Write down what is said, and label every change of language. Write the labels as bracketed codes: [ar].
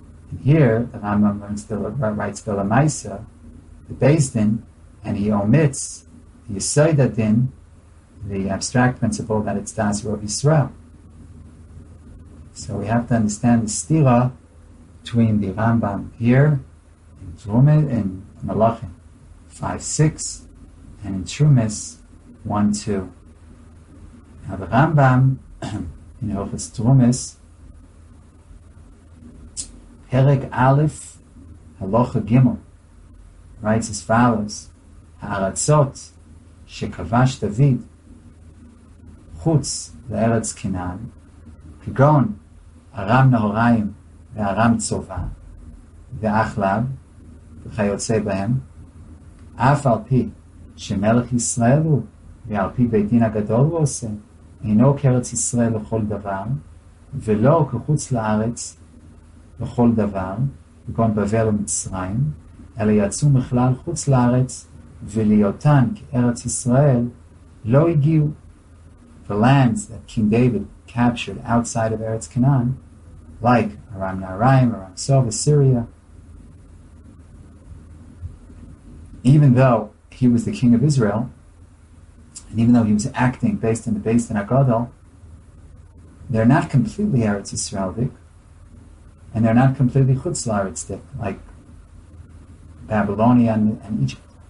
[en] And here, the Rambam writes the Lamaisa, the Basin, and he omits the Yisoid Adin, the abstract principle that it's Das Rov Yisrael. So we have to understand the stira between the Rambam here, in Trumos, in Malachim 5:6, and in Trumos 1:2. Now the Rambam, in Hilchos Trumos, Perek Aleph, Halacha Gimel, writes as follows, [he] Ha'aratzot, Shekavash David, Chutz Le'eretz Kinan, Kigon, Aram Nahorayim, Ve'aram Tzova, Ve'achlab, וכיוצא בהם, אף על פי שמלך ישראל הוא, ועל פי בית דין הגדול הוא עושה, אינו כארץ ישראל לכל דבר, ולא כחוץ לארץ לכל דבר, כגון בבל ומצרים, אלא יצאו מכלל חוץ לארץ, ולהיותן כארץ ישראל, לא הגיעו. [en] The lands that King David captured outside of Eretz Canaan, like Aram Naharaim, Aram Tzov, Assyria, even though he was the king of Israel, and even though he was acting based on the Beis Din HaGadol, they're not completely Eretz Yisraelic, and they're not completely Chutz La'aretzic, like Babylonia and Egypt.